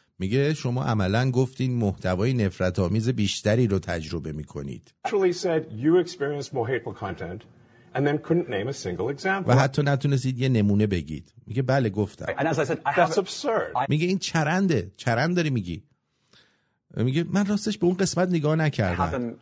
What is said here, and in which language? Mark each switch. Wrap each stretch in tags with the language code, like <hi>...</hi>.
<fa>میگه شما عملاً گفتین محتوای نفرت آمیز بیشتری رو تجربه میکنید.</fa> <en>Actually said you experienced more hateful content and then couldn't name a single example.</en> <fa>و حتی نتونستید یه نمونه بگید. میگه بله گفتم.</fa> <en>And as I said, that's absurd.</en> <fa>میگه این چرنده. چرند داری میگی. میگه من راستش به اون قسمت نگاه نکردم.</fa>